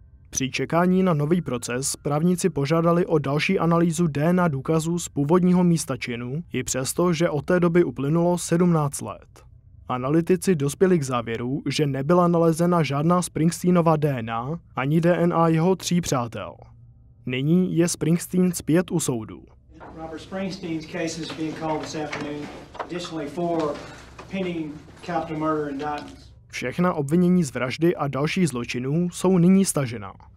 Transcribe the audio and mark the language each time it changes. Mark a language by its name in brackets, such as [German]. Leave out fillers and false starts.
[Czech] Při čekání na nový proces právníci požádali o další analýzu DNA důkazů z původního místa činu, i přesto, že od té doby uplynulo 17 let. Analytici dospěli k závěru, že nebyla nalezena žádná Springsteenova DNA ani DNA jeho tří přátel. Nyní je Springsteen zpět u soudu. [English] Robert Springsteen's case is being called this afternoon. Additionally, four pending capital murder indictments. [Czech] Všechna obvinění z vraždy a další zločinů jsou nyní stažena.